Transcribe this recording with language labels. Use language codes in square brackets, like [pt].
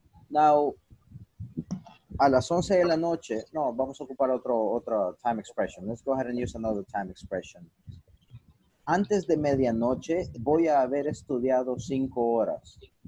[es] Now, a las 11 de la noche, no, vamos a ocupar otra time expression. [en] Let's go ahead and use another time expression. [es] Antes de medianoche, voy a haber estudiado 5 horas.